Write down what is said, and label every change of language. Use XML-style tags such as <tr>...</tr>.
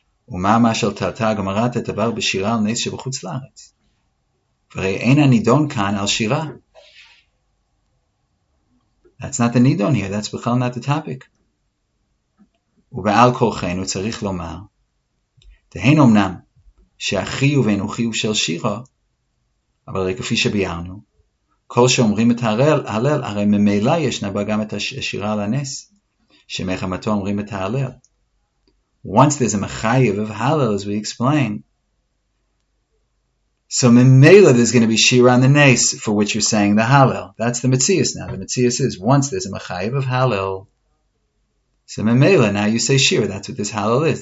<he>ומה מה של תלתה גמרת את דבר בשירה על נס שבחוץ לארץ? וראי אין הנידון כאן על שירה.</he> <en>That's not the nidon here, that's בכלל not the topic.</en> <he>ובעל כורכן הוא צריך לומר, תהן אמנם שהחיוב אינו חיוב של שירה, אבל הרי כפי שביארנו, כל שאומרים את הלל, הרי ממילא ישנה בה גם את השירה על הנס, שמחמתו אומרים את הלל.</he> <en>Once there's a mechayev of halal, as we explain, so memela there's going to be shira on the neis for which you're saying the halal. That's the metzias now. The metzias is once there's a mechayev of halal, so memela now you say shira. That's what this halal is.</en>